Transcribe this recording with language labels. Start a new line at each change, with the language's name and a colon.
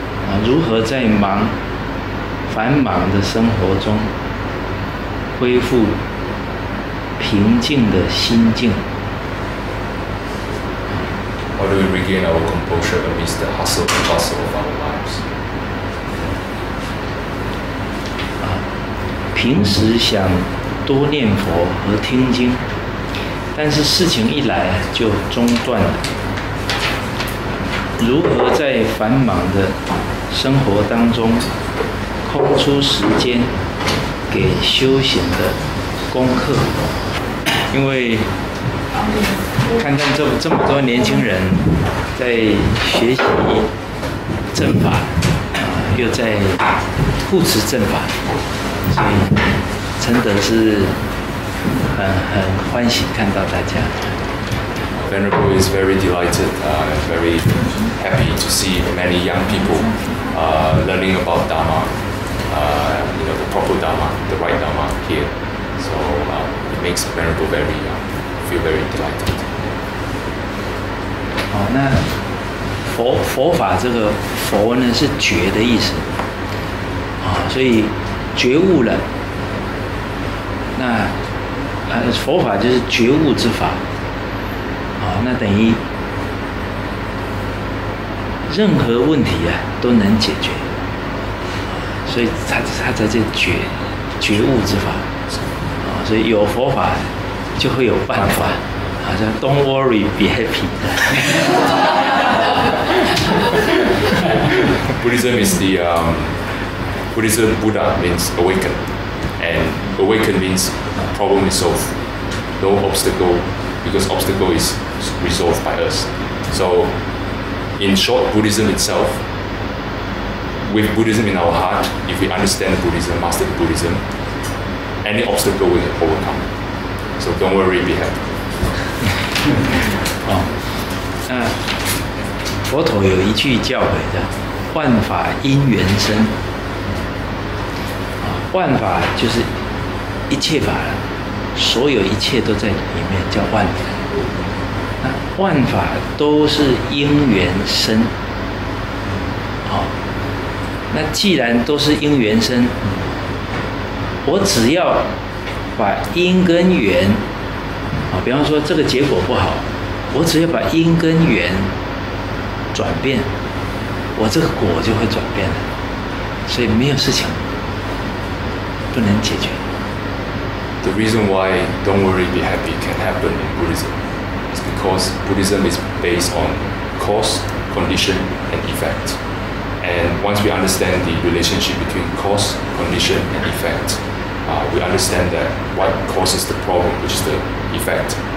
Chinese: Ah, 如何在忙繁忙的生活中恢复平静的心境。
English: How do we regain our composure amidst the hustle and bustle of our lives?
Chinese: 平时想多念佛和听经，但是事情一来就中断了。如何在繁忙的生活当中空出时间给修行的功课？因为看这么多年轻人在学习正法，又在护持正法，所以真的是很欢喜看到大家。
English: Venerable is very delighted, very happy to see many young people, learning about Dharma. You know, the proper Dharma, the right Dharma here. So, it makes Venerable feel very delighted.
Chinese: 好，那佛法这个佛呢是觉的意思。所以觉悟了。那佛法就是觉悟之法。那等于任何问题啊都能解决。所以他在这觉悟之法，所以有佛法就会有办法，好像 Don't worry, be happy.
English: Buddhism is the Buddhism. Buddha means awaken, and awaken means problem is solved. No obstacle, because obstacle is resolved by us. So, in short, Buddhism itself. With Buddhism in our heart, if we understand Buddhism, master Buddhism, any obstacle will overcome. So don't worry, be happy.
Chinese: 那佛陀有一句教诲的，万法因缘生。万法就是一切法，所有一切都在里面，叫万法。那万法都是因缘生。那既然都是因缘生，我只要把因跟缘，比方说这个结果不好，我只要把因跟缘转变，我这个果就会转变了，所以没有事情不能解决。
English: The reason why "Don't worry, be happy" can happen in Buddhism is because Buddhism is based on cause, condition, and effect. And once we understand the relationship between cause, condition, and effect, we understand that what causes the problem, which is the effect,